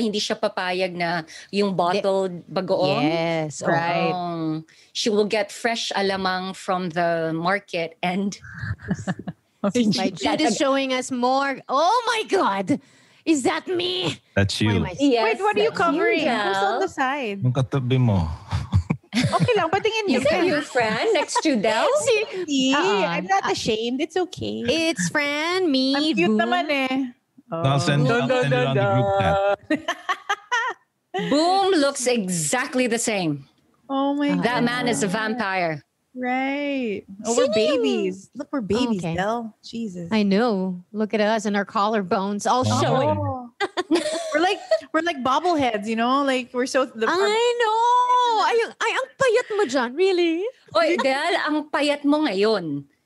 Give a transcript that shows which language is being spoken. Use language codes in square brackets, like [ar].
[tl] Hindi siya papayag na yung bottled bagoong. [en] Yes, right. She will get fresh alamang from the market and... Jude is showing us more. Oh my God! Is that me? That's you. Wait, what are you covering? Who's on the side? [tl] Yung katabi mo. Okay lang, patingin niyo. [en] Is it your friend next to Del? I'm not ashamed. It's okay. It's friend, me. I'm cute naman eh. I'll send you on the group chat. Boom looks exactly the same. Oh my God. That man is a vampire. Right. Oh, we're babies. Look, we're babies, okay. Del. Jesus. I know. Look at us and our collarbones all showing. We're like bobbleheads, you know? Like, we're so... I know. [tl] ay ang payat mo dyan, [en] really? [tl] O, Del, ang payat mo ngayon.